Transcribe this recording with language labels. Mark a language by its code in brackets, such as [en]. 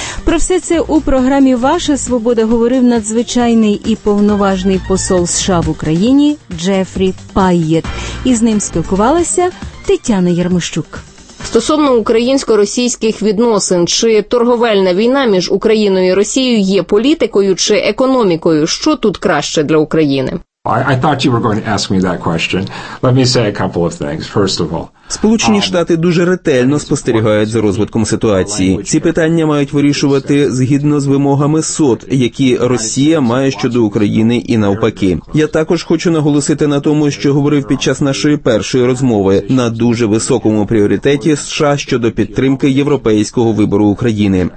[uk] Про все це у програмі «Ваша свобода» говорив надзвичайний і повноважний посол США в Україні Джефрі Пайєт. І з ним спілкувалася Тетяна Ярмищук. Стосовно українсько-російських відносин, чи торговельна війна між Україною і Росією є політикою чи економікою? Що тут краще для України? [en] I thought you were going to ask me that question. Let me say a couple of things. First of all, [uk] Сполучені Штати дуже ретельно спостерігають за розвитком ситуації. Ці питання мають вирішувати згідно з вимогами СОТ, які Росія має щодо України і навпаки. Я також хочу наголосити на тому, що говорив під час нашої першої розмови, на дуже високому пріоритеті США щодо підтримки європейського вибору України.